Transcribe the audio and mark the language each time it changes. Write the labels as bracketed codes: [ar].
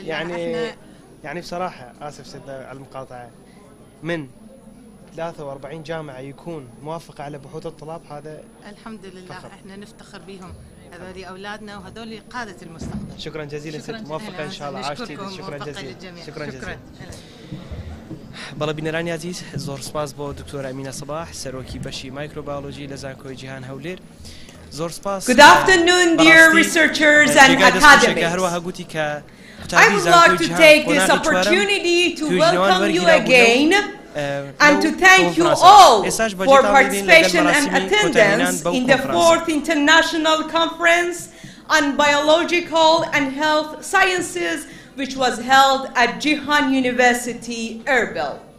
[ar] يعني احنا يعني بصراحة آسف سيدة على المقاطعة، من 43 جامعة يكون موافقة على بحوث الطلاب هذا؟ الحمد لله فخر. احنا نفتخر بهم، هذولي أولادنا وهذولي قادة المستقبل. شكرا جزيلا ست موافقة إن شاء الله. عاشتي. شكرا جزيلا. شكرا جزيلا. [ckb] بلا بینرانی عزیز زور سپاس با دکتر امینه صباح سروکی بشی مایکروبیولوژی لزانکوی جهان هولیر. زور سپاس. [en] Good afternoon dear researchers and academics. I would like to take this opportunity to welcome you again and to thank you all for participation and attendance in the 4th International Conference on Biological and Health Sciences, which was held at Jihan University, Erbil.